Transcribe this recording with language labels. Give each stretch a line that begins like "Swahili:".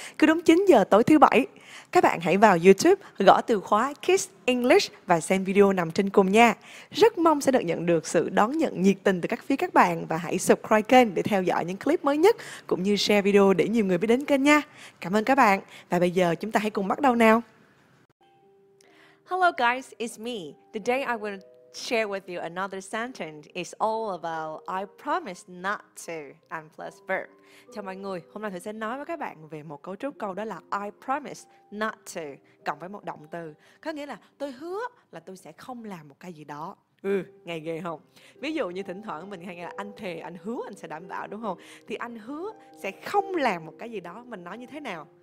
Vietnamese: Cứ đúng 9 giờ tối thứ bảy, các bạn hãy vào YouTube gõ từ khóa Kiss English và xem video nằm trên cùng nha. Rất mong sẽ được nhận được sự đón nhận nhiệt tình từ các phía các bạn và hãy subscribe kênh để theo dõi những clip mới nhất cũng như share video để nhiều người biết đến kênh nha. Cảm ơn các bạn và bây giờ chúng ta hãy cùng bắt đầu nào.
English: Hello guys, it's me. Today I will share with you another sentence. It's all about I promise not to and plus verb.
Vietnamese: Chào mọi người, hôm nay Thủy sẽ nói với các bạn về một cấu trúc câu, đó là
English: I promise not to
Vietnamese: cộng với một động từ. Có nghĩa là tôi hứa là tôi sẽ không làm một cái gì đó. Ừ, nghe ghê không? Ví dụ như thỉnh thoảng mình hay nghe là anh thề, anh hứa, anh sẽ đảm bảo, đúng không? Thì anh hứa sẽ không làm một cái gì đó, mình nói như thế nào?